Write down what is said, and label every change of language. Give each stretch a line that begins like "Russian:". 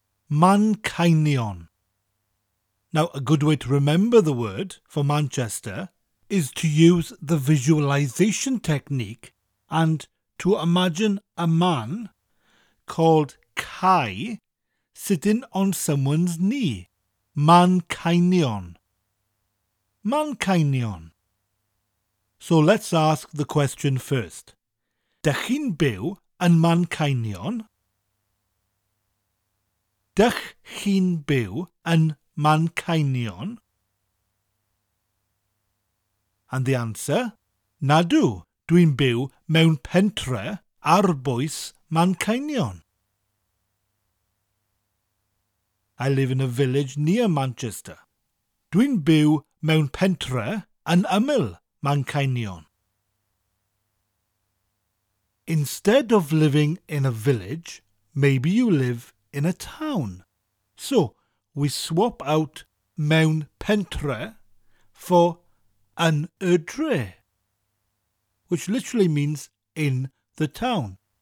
English: Manceinion. Now, a good way to remember the word for Manchester is to use the visualization technique and to imagine a man called Kai sitting on someone's knee.
Welsh: Manceinion. Manceinion.
English: So let's ask the question first.
Welsh: Dych chi'n byw yn Manceinion? Dych chi'n byw yn Manceinion?
English: And the answer?
Welsh: Nadw, dwi'n byw mewn pentre arbois Manceinion.
English: I live in a village near Manchester.
Welsh: Dwi'n byw mewn pentre yn ymyl Manceinion.
English: Instead of living in a village, maybe you live in a town. So, we swap out
Welsh: mewn pentre
English: for
Welsh: yn y dre,
English: which literally means in the town.